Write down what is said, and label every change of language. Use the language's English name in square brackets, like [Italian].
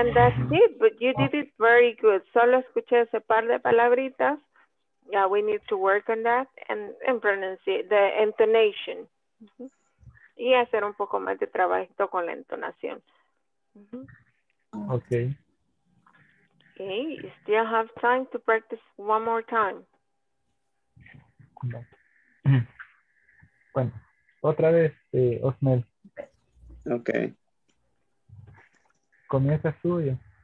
[English] And that's it, but you did it very good. [Spanish] Solo escuché ese par de palabritas. [English] Yeah, we need to work on that and pronounce it, the intonation. [Spanish] Mm-hmm. Y hacer un poco más de trabajo con la entonación. [English] Mm-hmm. Okay. Okay, you still have time to practice one more time. [Spanish] Bueno, otra vez, Osmel. [English] Okay. [Spanish] Comienza suyo.